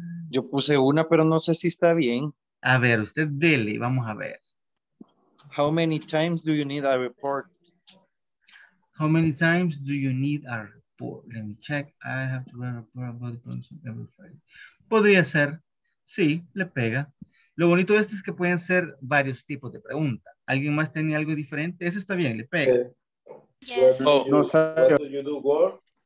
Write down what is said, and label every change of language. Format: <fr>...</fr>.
<es>Yo puse una, pero no sé si está bien. A ver, usted dele, vamos a ver.</es> <en>How many times do you need a report? How many times do you need a report? Let me check. I have to run a report about the problems every Friday.</en> <es>Podría ser, sí, le pega. Lo bonito de esto es que pueden ser varios tipos de preguntas. ¿Alguien más tenía algo diferente? Eso está bien, le pega.</es> <en>Okay. Yes. What do you, what do you do work?</en>